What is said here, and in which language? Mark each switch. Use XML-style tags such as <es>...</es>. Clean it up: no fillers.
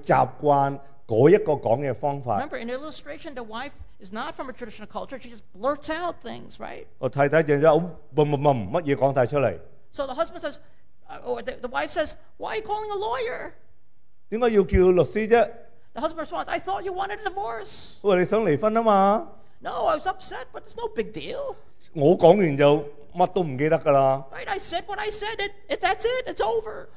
<yue>咁但另一方面，個太太佢只係用翻佢過往啊，佢習慣嗰一個講嘅方法。</yue> <en>Remember, in illustration, the wife is not from a traditional culture. She just blurts out things, right?</en> <yue>個太太就嘣嘣嘣乜嘢講曬出嚟。</yue> <en>So the husband says, or the wife says, why are you calling a lawyer?</en> <yue>點解要叫律師啫？</yue> <en>The husband responds, I thought you wanted a divorce.</en> <yue>喂，你想離婚啊嘛？</yue> <en>No, I was upset, but it's no big deal.</en> <yue>我講完就。乜都唔記得㗎啦。</yue> <en>Right, I said what I said. That's it. It's over.</en>